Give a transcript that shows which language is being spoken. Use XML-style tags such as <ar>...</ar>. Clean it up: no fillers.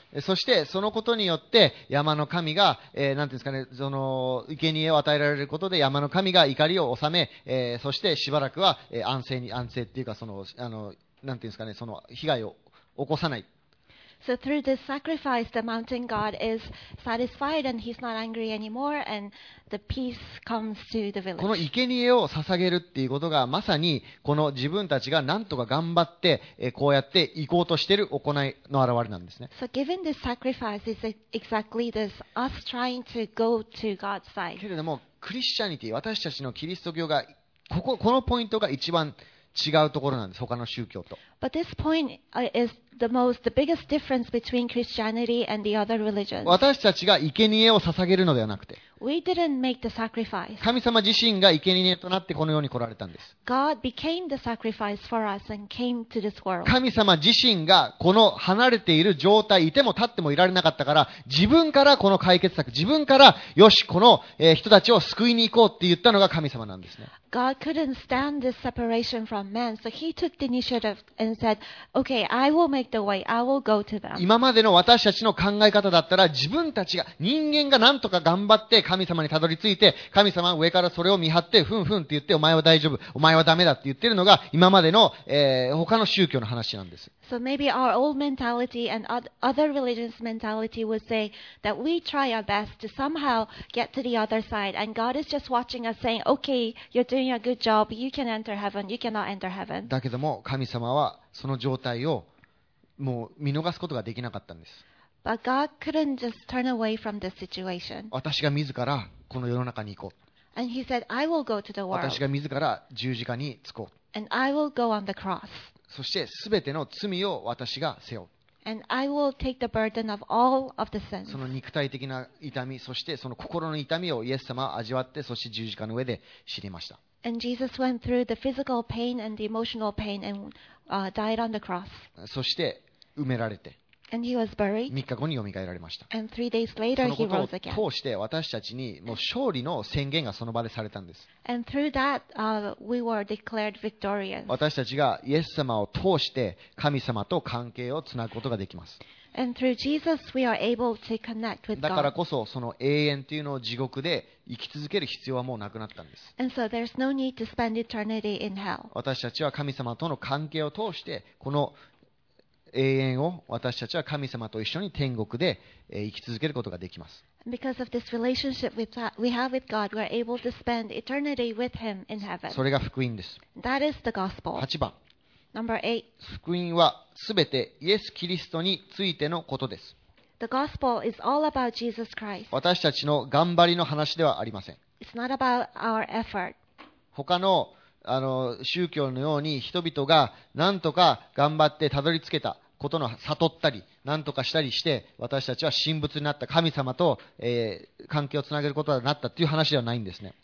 <ja>そしてそのことによって山の神が、なんていうんですかね、その生贄を与えられることで山の神が怒りを収め、そしてしばらくは安静に、安静っていうかその、なんていうんですかね、その被害を起こさない。</ja> <en>So through this sacrifice, the mountain god is satisfied and he's not angry anymore and the peace comes to the village.</en> <ja>この生贄を捧げるっていうことがまさにこの自分たちが何とか頑張ってこうやって行こうとしている行いの表れなんですね。</ja> <en>So giving this sacrifice is exactly this, us trying to go to God's side.</en> <ja>けれども、クリスチャニティ、私たちのキリスト教が、このポイントが一番違うところなんです、他の宗教と。</ja> <en>But this point is the biggest difference between Christianity and the other religions.</en> <ja>私たちが生贄を捧げるのではなくて、</ja> <en>We didn't make the sacrifice.</en> <ja>神様自身が生贄となってこの世に来られたんです。</ja> <en>God became the sacrifice for us and came to this world.</en> <ja>神様自身がこの離れている状態、いても立ってもいられなかったから、自分からこの解決策、自分からよし、この人たちを救いに行こうって言ったのが神様なんですね。</ja> <en>God couldn't stand this separation from men, so he took the initiative and said, okay, I will make the way, I will go to them.</en> <ja>今までの私たちの考え方だったら、自分たちが、人間が何とか頑張って神様にたどり着いて、神様は上からそれを見張って、ふんふんって言って、お前は大丈夫、お前はダメだって言ってるのが、今までの、他の宗教の話なんです。</ja> <en>So maybe our old mentality and other religions mentality would say that we try our best to somehow get to the other side, and God is just watching us saying, okay, you're doing a good job, you can enter heaven, you cannot enter heaven.</en> <ja>だけども神様はその状態をもう見逃すことができなかったんです。</ja> <en>But God couldn't just turn away from this situation.</en> <ja>私が自らこの世の中に行こう。</ja> <en>And he said, I will go to the world.</en> <ja>私が自ら十字架に着こう。</ja> <en>And I will go on the cross.</en> <ja>そして全ての罪を私が背負う。</ja> <en>And I will take the burden of all of the sins.</en> <ja>その肉体的な痛み、そしてその心の痛みをイエス様は味わって、そして十字架の上で知りました。</ja> <en>And Jesus went through the physical pain and the emotional pain and died on the cross.</en> <ja>そして埋められて。</ja> <en>And he was buried.</en> <ja>3日後によみがえられました。</ja> <en>And 3 days later he rose again.</en> <ja>そのことを通して私たちにもう勝利の宣言がその場でされたんです。</ja> <en>And through that, we were declared victorious.</en> <ja>私たちがイエス様を通して神様と関係をつなぐことができます。</ja> <en>And through Jesus, we are able to connect with God.</en> <ja>だからこそその永遠というのを地獄で生き続ける必要はもうなくなったんです。</ja> <en>And so there's no need to spend eternity in hell.</en> <ja>私たちは神様との関係を通してこの永遠を私たちは神様と一緒に天国で生き続けることができます。</ja> <en>Because of this relationship we have with God, we're able to spend eternity with Him in heaven.</en> <ja>それが福音です。</ja> <en>That is the gospel.</en> <ja>8番。</ja> <en>Number 8.</en> <ja>福音はすべてイエス・キリストについてのことです。</ja> <en>The gospel is all about Jesus Christ.</en> <ja>私たちの頑張りの話ではありません。</ja> <en>It's not about our effort.</en> <ja>他の宗教のように人々が何とか頑張ってたどり着けたことの悟ったり何とかしたりして私たちは神仏になった神様と、関係をつなげることになったという話ではないんですね。</ja>